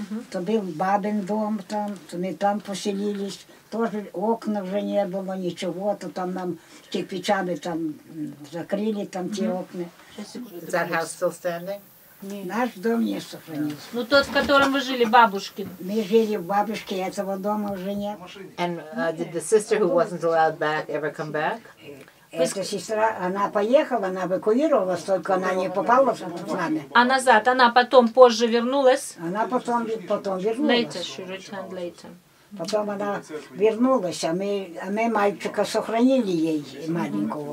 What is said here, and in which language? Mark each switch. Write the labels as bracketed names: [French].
[Russian] То был бабин дом там, то мы там поселились. Тоже окна уже не было, ничего. То там нам кирпичами там закрыли там те окна. [English] Is that house still standing? [Russian] Нет. Наш дом не сохранился. Ну, тот, в котором вы жили, бабушки. Мы жили в бабушке, этого дома уже нет. [English] And did the sister who wasn't allowed back ever come back? [Russian] Эта сестра, она поехала, она эвакуировалась, только она не попала в нами. А назад, она потом позже вернулась? Она потом вернулась. [English] Later, she returned later. [Russian] Потом она вернулась, а мы мальчика сохранили ей маленького.